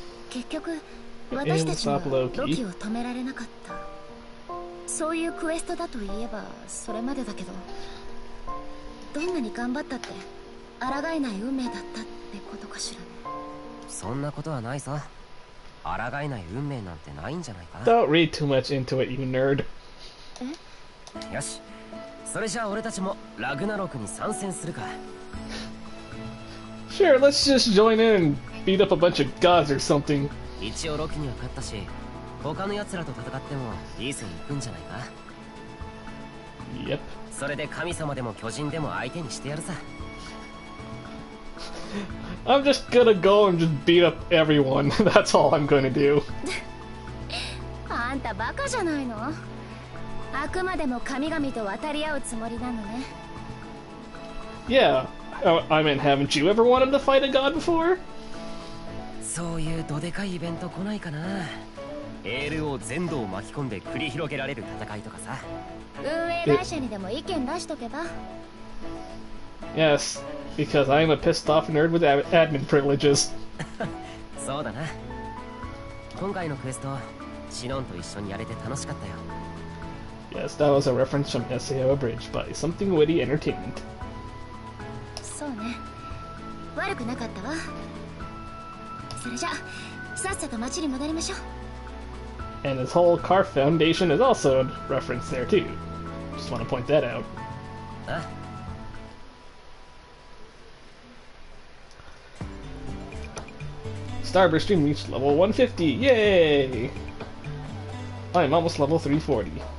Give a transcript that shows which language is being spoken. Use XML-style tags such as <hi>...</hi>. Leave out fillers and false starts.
<ja>結局私たちはロキを止められなかった。そういうクエストだといえばそれまでだけど、どんなに頑張ったって抗えない運命だったってことかしらね。そんなことはないさ。抗えない運命なんてないんじゃないか。</ja> <en>Don't read too much into it, you nerd.</en> <ja>よし、それじゃあ俺たちもラグナロクに参戦するか。</ja> <en>Sure, let's just join in and beat up a bunch of gods or something.</en> <ja>一応ロクには勝ったし、他の奴らと戦ってもいい線行くんじゃないか。</ja> <en>Yep.</en> <ja>それで神様でも巨人でも相手にしてやるさ。</ja> <en>I'm just gonna go and just beat up everyone. That's all I'm gonna do.</en> <ja>あんたバカじゃないの？あくまでも神々と渡り合うつもりなのね。</ja> <en>Yeah, I mean, haven't you ever wanted to fight a god before?</en> <ja>そういうどでかいイベント来ないかな。エールを全土を巻き込んで繰り広げられる戦いとかさ。運営会社にでも意見出しとけば。</ja> <en>Yes, because I am a pissed off nerd with admin privileges.</en> <ja>そうだな。今回のクエスト、シノンと一緒にやれて楽しかったよ。</ja> <en>Yes, that was a reference from SAO Abridged by Something Witty Entertainment.</en> <ja>そうね。悪くなかったわ。それじゃ、さっさと町に戻りましょう。</ja> <en>And his whole car foundation is also a reference there too. Just want to point that out. Starburst stream reached level 150. Yay! I'm almost level 340.</en>